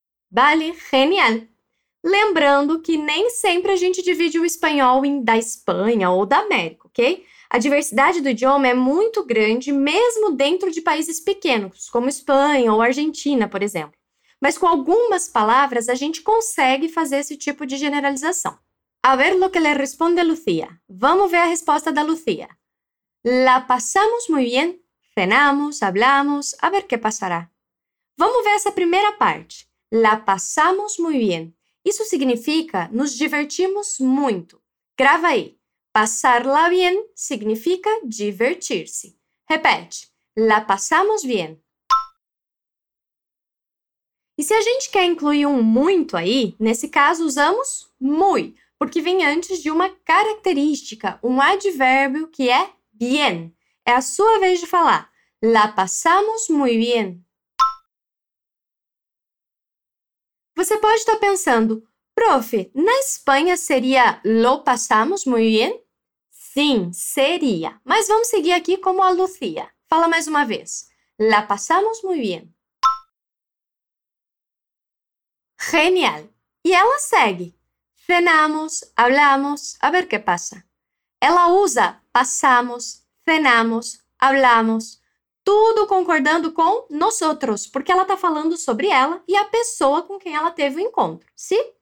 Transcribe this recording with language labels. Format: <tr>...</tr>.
<pt>Vale, genial! Lembrando que nem sempre a gente divide o espanhol em da Espanha ou da América, ok? A diversidade do idioma é muito grande, mesmo dentro de países pequenos, como Espanha ou Argentina, por exemplo. Mas com algumas palavras, a gente consegue fazer esse tipo de generalização.</pt> <es>A ver lo que le responde Lucía.</es> <pt>Vamos ver a resposta da Lucía.</pt> <es>La pasamos muy bien, cenamos, hablamos, a ver qué pasará.</es> <pt>Vamos ver essa primeira parte.</pt> <es>La pasamos muy bien.</es> <pt>Isso significa nos divertimos muito. Grava aí.</pt> <es>Passar-la bien</es> <pt>significa divertir-se. Repete.</pt> <es>La pasamos bien.</es> <pt>E se a gente quer incluir um muito aí, nesse caso usamos muy, porque vem antes de uma característica, um advérbio que é bien. É a sua vez de falar.</pt> <es>La pasamos muy bien.</es> <pt>Você pode estar pensando, prof, na Espanha seria</pt> <es>lo pasamos muy bien?</es> <pt>Sim, seria. Mas vamos seguir aqui como a Lucía. Fala mais uma vez.</pt> <es>La pasamos muy bien. Genial. Y ella sigue. Cenamos, hablamos, a ver qué pasa. Ella usa pasamos, cenamos, hablamos,</es> <pt>tudo concordando</pt> <es>con nosotros, porque ella está hablando sobre ella y</es> <pt>a persona</pt> <es>con quien ella</es> <pt>teve o encontro,</pt> <es>¿sí?</es>